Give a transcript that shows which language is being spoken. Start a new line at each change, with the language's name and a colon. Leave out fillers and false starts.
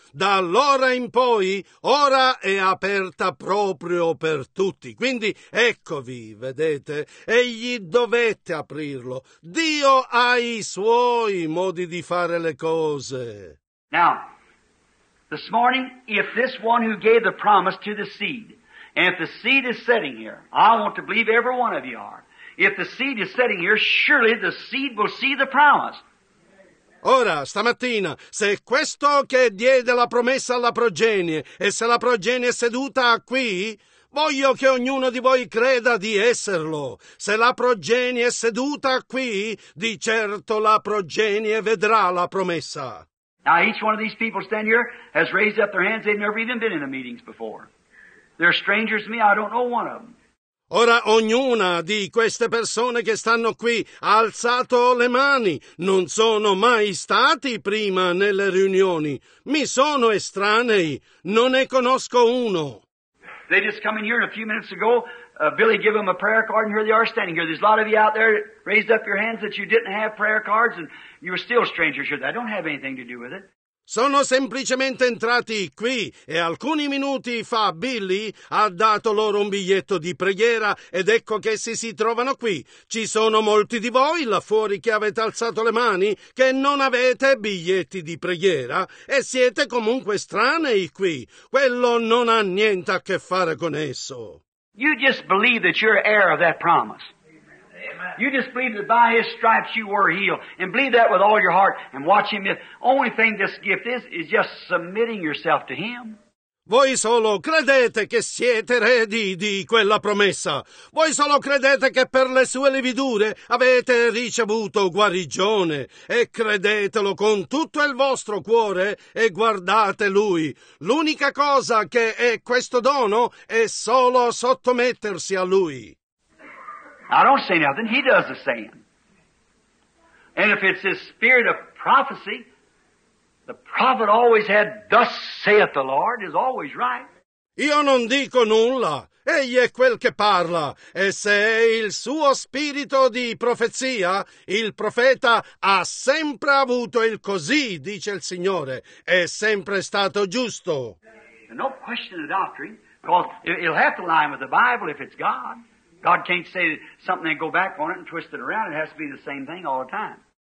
Italian: Da allora in poi, ora è aperta proprio per tutti. Quindi, eccovi, vedete, egli dovette aprirlo. Dio ha i suoi modi di fare le cose.
English: Now, this morning, if this one who gave the promise to the seed, and if the seed is sitting here, I want to believe every one of you are, if the seed is sitting here, surely the seed will see the promise.
Italian: Ora, stamattina, se questo che diede la promessa alla progenie e se la progenie è seduta qui, voglio che ognuno di voi creda di esserlo. Se la progenie è seduta qui, di certo la progenie vedrà la promessa.
English: Now each one of these people standing here has raised up their hands. They've never even been in the meetings before. They're strangers to me. I don't know one of them.
Italian: Ora ognuna di queste persone che stanno qui ha alzato le mani. Non sono mai stati prima nelle riunioni. Mi sono estranei. Non ne conosco uno.
English: They just come in here a few minutes ago. Billy gave them a prayer card, and here they are standing here. There's a lot of you out there raised up your hands that you didn't have prayer cards, and you're still strangers here. I don't have anything to do with it.
Italian: Sono semplicemente entrati qui e alcuni minuti fa Billy ha dato loro un biglietto di preghiera ed ecco che essi si trovano qui. Ci sono molti di voi là fuori che avete alzato le mani che non avete biglietti di preghiera e siete comunque stranei qui. Quello non ha niente a che fare con esso.
English: You just believe that you're heir of that promise. You just believe that by His stripes you were healed. And believe that with all your heart and watch Him. The only thing this gift is just submitting yourself to Him.
Italian: Voi solo credete che siete eredi di quella promessa. Voi solo credete che per le sue lividure avete ricevuto guarigione. E credetelo con tutto il vostro cuore e guardate Lui. L'unica cosa che è questo dono è solo sottomettersi a Lui.
English: I don't say nothing. He does the same. And if it's his spirit of prophecy, the prophet always had, thus saith the Lord, is always right.
Italian: Io non dico nulla. Egli è quel che parla. E se è il suo spirito di profezia, il profeta ha sempre avuto il così, dice il Signore. È sempre stato giusto.
English: And no question of doctrine, because it'll have to line with the Bible if it's God. God can't say something and go back on it and twist it around. It has to be the same thing all the time.